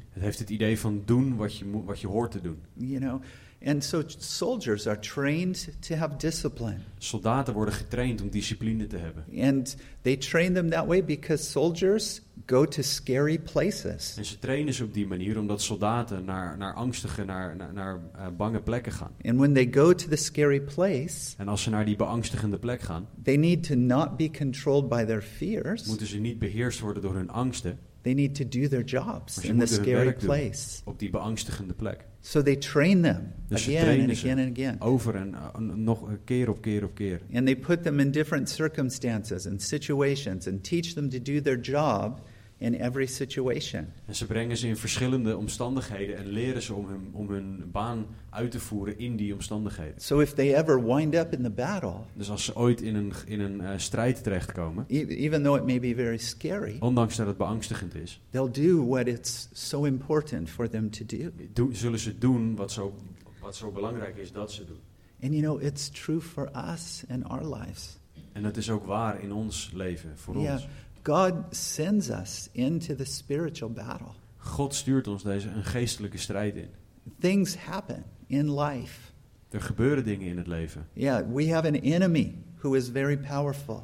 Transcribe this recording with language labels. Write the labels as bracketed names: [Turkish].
[Dutch] Het heeft het idee van doen wat je hoort te doen. [English] You know, and so soldiers are trained to have discipline. [Dutch] Soldaten worden getraind om discipline te hebben. [English] And they train them that way because soldiers go to scary places. [Dutch] En ze trainen ze op die manier omdat soldaten naar angstige, naar bange plekken gaan. [English] And when they go to the scary place, [Dutch] en als ze naar die beangstigende plek gaan, [English] they need to not be controlled by their fears. [Dutch] Moeten ze niet beheerst worden door hun angsten. [English] They need to do their jobs in the scary place. [Dutch] Op die beangstigende plek. [English] So they train them [Dutch] dus [English] again and again and again. [Dutch] Over en nog keer op keer op keer. [English] And they put them in different circumstances and situations and teach them to do their job in every situation. [Dutch] En ze brengen ze in verschillende omstandigheden en leren ze om hun baan uit te voeren in die omstandigheden. [English] So if they ever wind up in the battle. [Dutch] Dus als ze ooit in een strijd terechtkomen. [English] Even though it may be very scary. [Dutch] Ondanks dat het beangstigend is. [English] They'll do what it's so important for them to do. [Dutch] Zullen ze doen wat zo belangrijk is dat ze doen. [English] And you know, it's true for us in our lives. [Dutch] En dat is ook waar in ons leven voor yeah. ons. [English] God sends us into the spiritual battle. [Dutch] God stuurt ons een geestelijke strijd in. [English] Things happen in life. [Dutch] Er gebeuren dingen in het leven. [English] Yeah, we have an enemy who is very powerful.